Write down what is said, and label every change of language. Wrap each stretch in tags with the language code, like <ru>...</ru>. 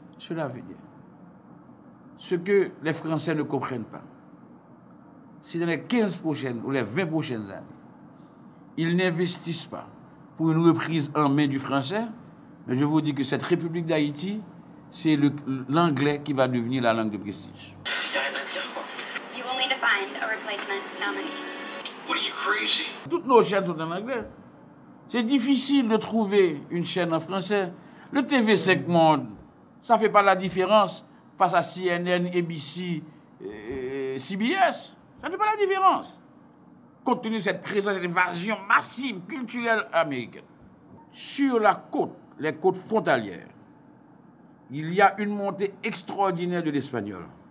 <fr>Cela veut dire ce que les Français ne comprennent pas. Si dans les 15 prochaines ou les 20 prochaines années, ils n'investissent pas pour une reprise en main du français, mais je vous dis que cette République d'Haïti, c'est l'anglais qui va devenir la langue de prestige.</fr> <en>You will need to find a replacement nominee. What are you crazy?</en> <fr>Toutes nos chaînes sont en anglais. C'est difficile de trouver une chaîne en français. Le TV5 Monde, ça ne fait pas la différence face à CNN, ABC, CBS. Ça ne fait pas la différence. Compte tenu de cette présence, cette invasion massive culturelle américaine, sur la côte, les côtes frontalières, il y a une montée extraordinaire de l'espagnol.</fr>